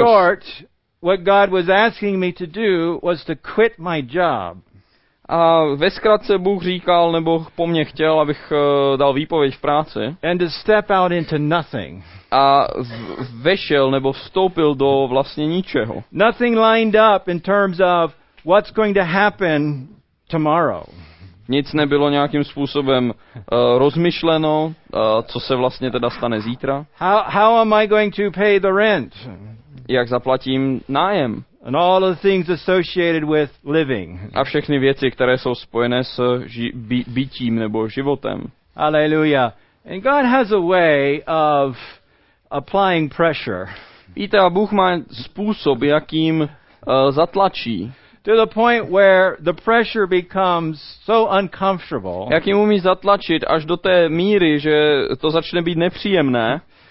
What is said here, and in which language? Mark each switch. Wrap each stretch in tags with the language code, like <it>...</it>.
<en>Short, what God was asking me to do was to quit my job.</en> <cs>A ve zkratce Bůh říkal, nebo po mně chtěl, abych dal výpověď v práci.</cs> <en>And to step out into nothing.</en> <cs>A vešel nebo vstoupil do vlastně ničeho.</cs> <en>Nothing lined up in terms of what's going to happen tomorrow.</en> <cs>Nic nebylo nějakým způsobem rozmyšleno, co se vlastně teda stane zítra.</cs> <en>How am I going to pay the rent?</en> <cs>Jak zaplatím nájem?</cs> <en>And all the things associated with living.</en> <cs>A všechny věci, které jsou spojené s bytím nebo životem.</cs> <en>Alleluja. And God has a way of applying pressure.</en> <cs>Víte, a Bůh má způsob, jakým zatlačí.</cs> <en>To the point where the pressure becomes so uncomfortable.</en> <cs>Jak jim umí zatlačit až do té míry, že to začne být nepříjemné,</cs>